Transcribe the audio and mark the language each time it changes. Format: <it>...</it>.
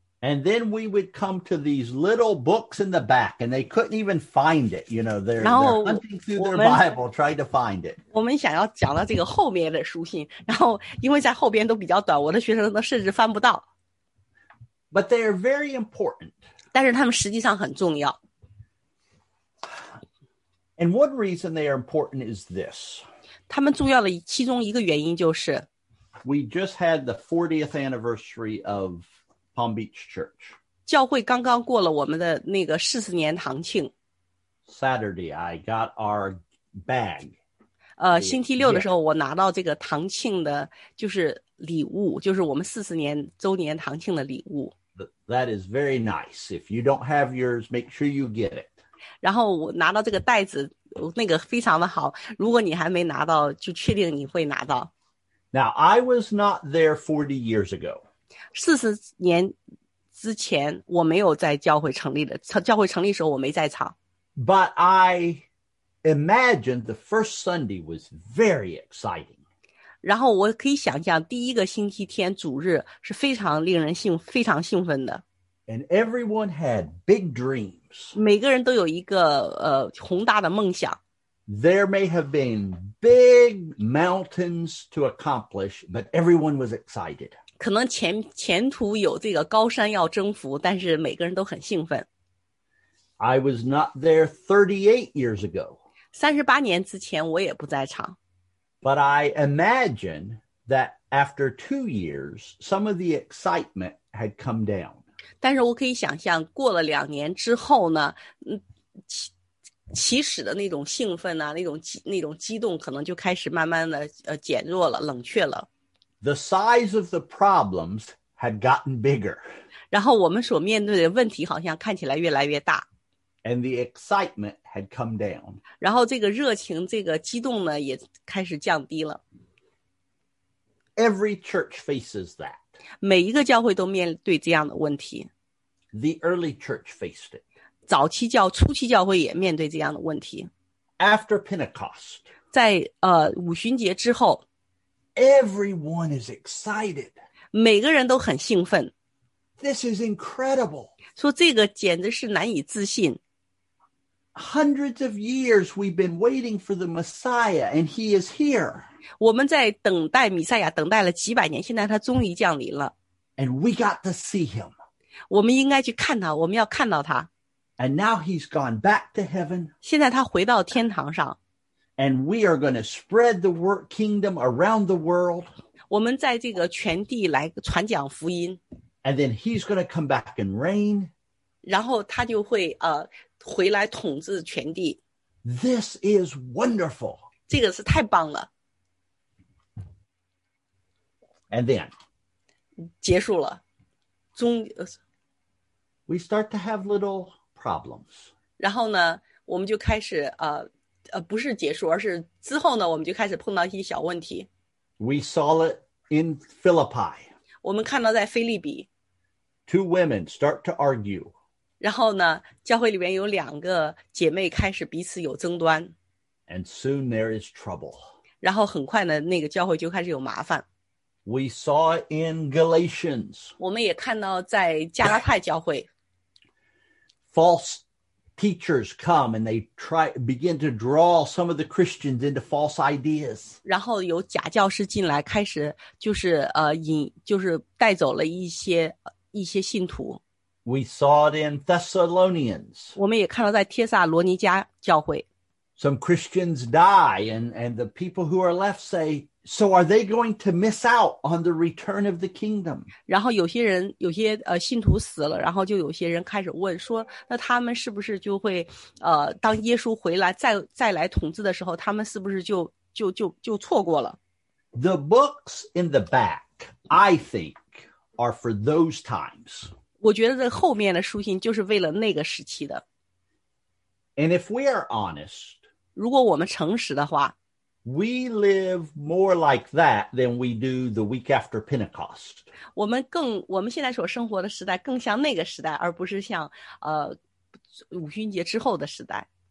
<en>And then we would come to these little books in the back, and they couldn't even find it. You know, they're hunting through their Bible, trying to find it.</en> <zh>我们想要讲到这个后面的书信，然后因为在后边都比较短，我的学生都甚至翻不到。</zh> <en>But they are very important.</en> <zh>但是他们实际上很重要。</zh> <en>And one reason they are important is this.</en> <zh>他们重要的其中一个原因就是</zh> <en>We just had the 40th anniversary of Palm Beach Church.</en> <zh>教会刚刚过了我们的那个40年堂庆。</zh> <en>Saturday, I got our bag.</en> <zh>星期六的时候我拿到这个堂庆的就是礼物就是我们40年周年堂庆的礼物。</zh> <en>That is very nice. If you don't have yours, make sure you get it.</en> <zh>然后我拿到这个袋子那个非常的好如果你还没拿到就确定你会拿到。</zh> <en>Now, I was not there 40 years ago.</en> <zh>四十年之前我没有在教会成立的教会成立的时候我没在场。</zh> <en>But I imagine the first Sunday was very exciting.</en> <zh>然后我可以想象第一个星期天主日是非常令人非常兴奋的。</zh> <en>And everyone had big dreams.</en> <zh>每个人都有一个宏大的梦想。</zh> <en>There may have been big mountains to accomplish, but everyone was excited.</en> <zh>可能前途有这个高山要征服但是每个人都很兴奋。</zh> <en>I was not there 38 years ago.</en> <zh>38年之前我也不在场。</zh> <en>But I imagine that after 2 years, some of the excitement had come down.</en> <zh>但是我可以想象过了两年之后呢起始的那种兴奋啊那种激动可能就开始慢慢的减弱了冷却了。</zh> <en>The size of the problems had gotten bigger.</en> <zh>然后我们所面对的问题好像看起来越来越大。</zh> <en>And the excitement had come down.</en> <zh>然后这个热情，这个激动呢，也开始降低了。</zh> <en>Every church faces that.</en> <zh>每一个教会都面对这样的问题。</zh> <en>The early church faced it.</en> <zh>初期教会也面对这样的问题。</zh> <en>After Pentecost.</en> <zh>在五旬节之后。</zh> <en>Everyone is excited.</en> <zh>每个人都很兴奋。</zh> <en>This is incredible.</en> <zh>说这个简直是难以置信。</zh> <en>Hundreds of years we've been waiting for the Messiah and he is here.</en> <zh>我们在等待弥赛亚等待了几百年现在他终于降临了。</zh> <en>And we got to see him.</en> <zh>我们应该去看他，我们要看到他。</zh> <en>And now he's gone back to heaven.</en> <zh>现在他回到天堂上。</zh> <en>And we are going to spread the kingdom around the world.</en> <zh>我们在这个全地来传讲福音。</zh> <en>And then he's going to come back and reign.</en> <zh>然后他就会回来统治全地。</zh> <en>This is wonderful.</en> <zh>这个是太棒了。</zh> <en>And then.</en> <zh>结束了。</zh> <en>We start to have little problems.</en> <zh>然后呢我们就开始不是结束而是之后呢我们就开始碰到一些小问题。</zh> <en>We saw it in Philippi.</en> <zh>我们看到在腓立比。</zh> <en>Two women start to argue.</en> <zh>然后呢教会里面有两个姐妹开始彼此有争端。</zh> <en>And soon there is trouble.</en> <zh>然后很快呢那个教会就开始有麻烦。</zh> <en>We saw it in Galatians.</en> <zh>我们也看到在加拉太教会。</zh> <en>False teachers come and they begin to draw some of the Christians into false ideas.</en> <zh>然后有假教师进来开始就是带走了一些信徒。</zh> <en>We saw it in Thessalonians.</en> <zh>我们也看到在帖撒罗尼迦教会。</zh> <en>Some Christians die and the people who are left say, so are they going to miss out on the return of the kingdom?</en> <zh>然后有些信徒死了然后就有些人开始问说那他们是不是就会当耶稣回来再来统治的时候他们是不是就错过了。</zh> <en>The books in the back, I think, are for those times.</en> <zh>我觉得这后面的书信就是为了那个时期的。</zh> <en>And if we are honest,</en> <zh>如果我们诚实的话</zh> <en>we live more like that than we do the week after Pentecost.</en> <zh>我们现在所生活的时代更像那个时代而不是像五旬节之后的时代。</zh>